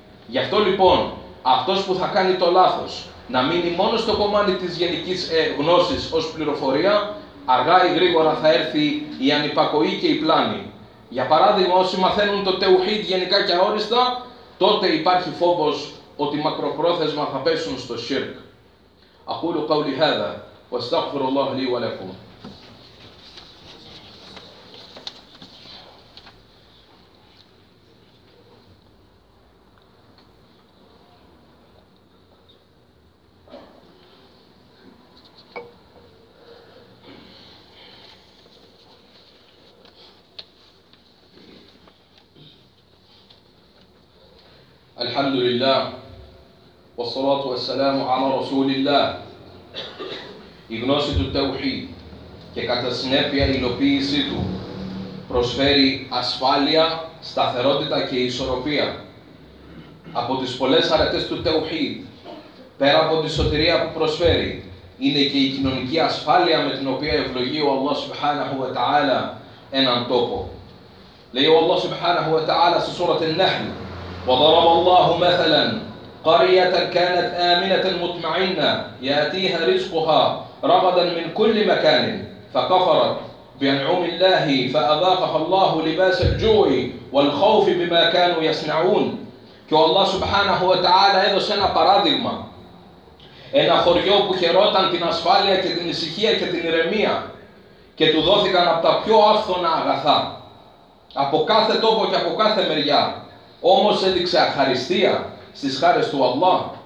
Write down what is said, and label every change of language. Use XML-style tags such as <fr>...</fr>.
<el>Γι' αυτό λοιπόν, αυτός που θα κάνει το λάθος να μείνει μόνο στο κομμάτι της γενικής γνώσης ως πληροφορία, αργά ή γρήγορα θα έρθει η ανυπακοή και η πλάνη. Για παράδειγμα, όσοι μαθαίνουν το τεουχίδ γενικά και αόριστα, τότε υπάρχει φόβος ότι μακροπρόθεσμα θα πέσουν στο σιρκ.</el> <ar>Ακούλου καουλι χάδα, واستغفر الله لي ولكم. الحمد لله والصلاة والسلام على رسول الله.</ar> <el>Η γνώση του Τεουχίδ και κατά συνέπεια η υλοποίησή του προσφέρει ασφάλεια, σταθερότητα και ισορροπία. Από τις πολλές αρετές του Τεουχίδ, πέρα από τη σωτηρία που προσφέρει, είναι και η κοινωνική ασφάλεια με την οποία ευλογεί ο Αλλάχ Σουμπχάναχου Ετα'άλα έναν τόπο. Λέει ο Αλλάχ Σουμπχάναχου Ετα'άλα στη σούρα Τεν-Νεχλ:</el> <ar>وضرب الله مثلا قرية كانت آمنة مطمئنة يأتيها رزقها رغدا من كل مكان فكفرت بأنعم الله فأذاقها الله لباس الجوع والخوف بما كانوا يصنعون.</ar> <el>Και ο Αλλάχ Σουμπχάναχου Ετα'άλα έδωσε ένα παράδειγμα. Ένα χωριό που χαιρόταν την ασφάλεια και την ησυχία και την ηρεμία και του δόθηκαν από τα πιο άφθονα αγαθά από κάθε τόπο και από κάθε μεριά. Όμως έδειξε αχαριστία στις χάρες του Αλλάχ.</el>